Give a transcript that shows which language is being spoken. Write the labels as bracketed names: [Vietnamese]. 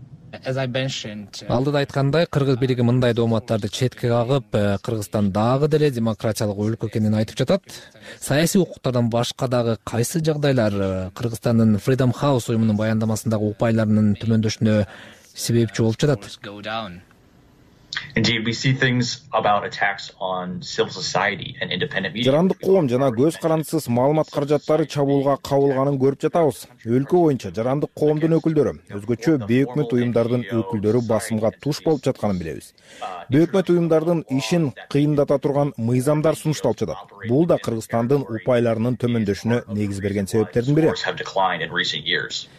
[Kyrgyz] Алдыда айткандай, кыргыз бийлиги мындай дооматтарды четке кагып, Кыргызстан дагы деле демократиялык өлкө экенин айтып жатат. Саясий укуктардан башка дагы кайсы жагдайлар Кыргызстандын Freedom House уюмунун баяндамасындагы упайларынын төмөндөшүнө себепчи болуп жатат? [English] Indeed, we see things about attacks on civil society and independent media. [Kyrgyz] Жарандык коом жана көз карандысыз маалымат каражаттары чабуулга кабылганын көрүп жатабыз. Өлкө боюнча жарандык коомдун өкүлдөрү, өзгөчө бейөкмөт уюмдардын өкүлдөрү басымга туш болуп жатканын билебиз. Бейөкмөт уюмдардын ишин кыйындата турган мыйзамдар сунушталып жатат. Бул да Кыргызстандын упайларынын төмөндөшүнө негиз берген себептердин бири.